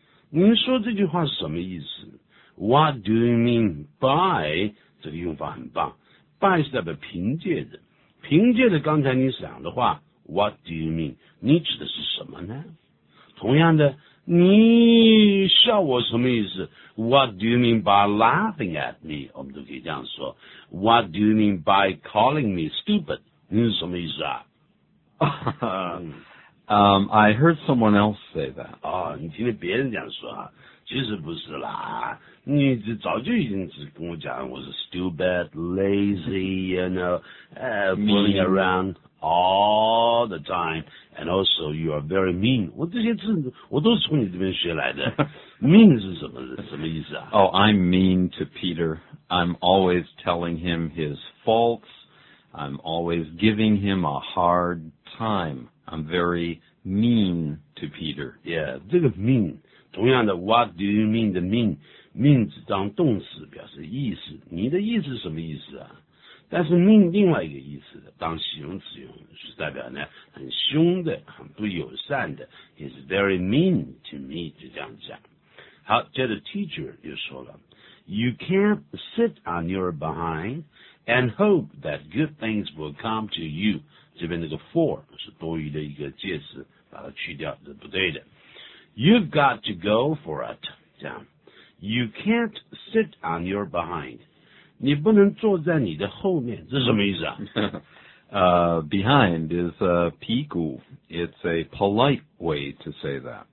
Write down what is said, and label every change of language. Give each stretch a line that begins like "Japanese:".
Chinese: 你说这句话是什么意思？
English: What do you mean by?
Chinese: 这个用法很棒。 By 是代表凭借的，凭借的刚才你想的话，
English: What do you mean?
Chinese: 你指的是什么呢？同样的，你笑我什么意思？
English: What do you mean by laughing at me?
Chinese: 我们都可以这样说。
English: What do you mean by calling me stupid?
Chinese: 你是什么意思啊？
English: I heard someone else say that.
Chinese: 哦，你听见别人这样说啊？其实不是啦，你这早就已经是跟我讲我是
English: stupid, lazy, you know, fooling around. All the time, and also you are very mean.
Chinese: 我这些字我都是从你这边学来的。 Mean 是什么意思啊？
English: Oh, I'm mean to Peter. I'm always telling him his faults. I'm always giving him a hard time. I'm very mean to Peter. Yeah,
Chinese: 这个
English: mean,
Chinese: 同样的
English: what do you mean 的 mean?
Chinese: Mean 是当动词表示意思。你的意思是什么意思啊？但是 mean 另外一个意思的，当形容词用，是代表呢很凶的，很不友善的。
English: He's very mean to me，
Chinese: 就这样讲。好，接着 teacher 又说了
English: ，You can't sit on your behind and hope that good things will come to you。
Chinese: 这边那个 for 是多余的一个介词，把它去掉是不对的。
English: You've got to go for it，
Chinese: 这样。
English: You can't sit on your behind。
Chinese: 你不能坐在你的后面，这是什么意思啊？
English: Behind is a 屁股 ，it's a polite way to say that。